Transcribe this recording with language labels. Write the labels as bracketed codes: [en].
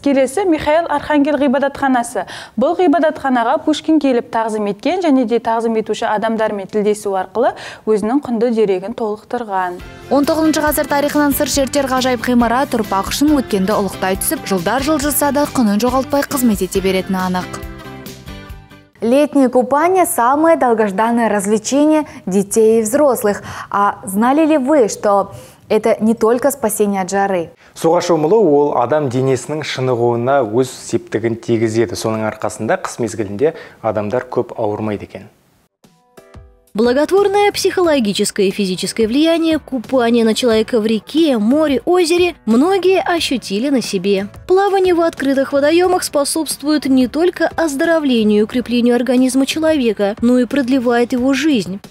[kk] Келесі Михаил Архангел ғибадатханасы. Бұл ғибадатханаға Пушкин келіп тағзым еткен және де тағзым етуші адамдармен тілдесу арқылы өзінің құнды дерегін толықтырған. 19-шы ғасыр тарихынан сыр шертер ғажайып ғимарат ұрпақ үшін өткенді ұлықтай түсіп, жылдар жылжыса да құнын жоғалтпай қызмет ете беретіні анық. [ru] Летнее купание – самое долгожданное развлечение детей и взрослых. А знали ли вы, что это не только спасение от жары? [kk] Суға шомылу ол адам денесінің шынығуына өз септігін тигізеді. Соның арқасында қыс мезгілінде адамдар көп ауырмайды екен. [ru] Благотворное психологическое и физическое влияние купания на человека в реке, море, озере многие ощутили на себе. Плавание в открытых водоемах способствует не только оздоровлению и укреплению организма человека, но и продлевает его жизнь.